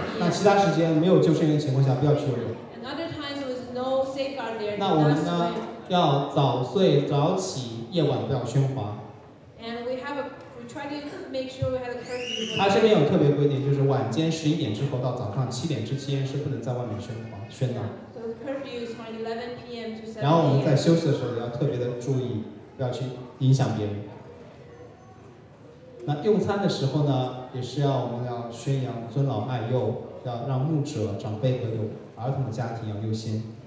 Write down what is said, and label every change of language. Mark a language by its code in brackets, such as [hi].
[zh] 其他时间没有救生员的情况下不要去游泳。 [en] Another time there was no safeguard there. [zh] 那我们呢？要早睡早起，夜晚不要喧哗。 [en] And we try to make sure we have a curfew. [zh] 它这边有特别规定，就是晚间11点之后到早上7点之间是不能在外面喧闹。 [en] So curfew is from 11 p.m. to 7 a.m. [zh] 然后我们在休息的时候要特别的注意，不要去影响别人。那用餐的时候呢，也是要我们要宣扬尊老爱幼，要让牧者、长辈和有儿童的家庭要优先。